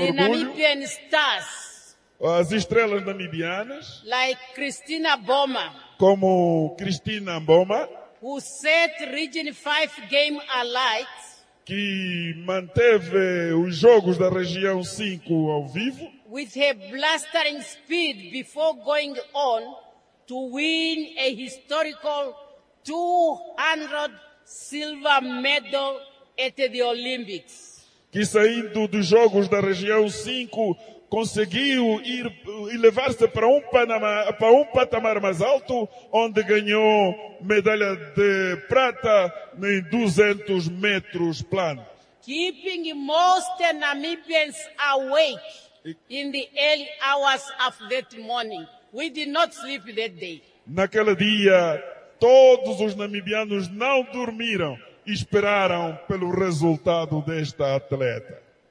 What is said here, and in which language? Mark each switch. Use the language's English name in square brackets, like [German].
[English] orgulho. Namibian stars. [Portuguese] As estrelas namibianas. [English] Like Christina Boma. [Portuguese] Como Christina Boma. [English] Who set Region 5 game alight. [Portuguese] Que manteve os jogos da Região 5 ao vivo. [English] With her blustering speed before going on to win a historical 200 silver medal at the Olympics. [Portuguese] Que saindo dos jogos da Região 5 conseguiu ir e levar-se para um patamar mais alto, onde ganhou medalha de prata em 200 metros plano. [English] Keeping most Namibians awake in the early hours of that morning. We did not sleep that day. [Portuguese] Naquele dia, todos os namibianos não dormiram e esperaram pelo resultado desta atleta.